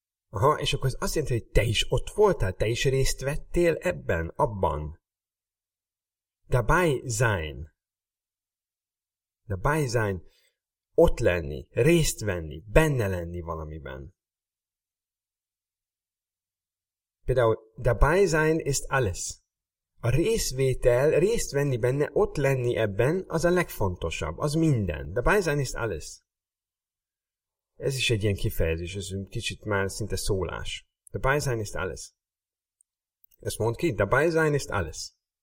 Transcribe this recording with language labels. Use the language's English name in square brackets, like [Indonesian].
[Hungarian] Aha, és akkor ez azt jelenti, hogy te is ott voltál, te is részt vettél ebben, abban. [German] Dabei sein. Dabei sein. [Hungarian] Ott lenni, részt venni, benne lenni valamiben. Például [German] dabei sein ist alles. [Hungarian] A részvétel, részt venni benne, ott lenni ebben, az a legfontosabb, az minden. [German] Dabei sein ist alles. [Hungarian] Ez is egy ilyen kifejezés, ez egy kicsit már szinte szólás. [German] Dabei sein ist alles. [Hungarian] Ezt mond ki, [German] dabei sein ist alles.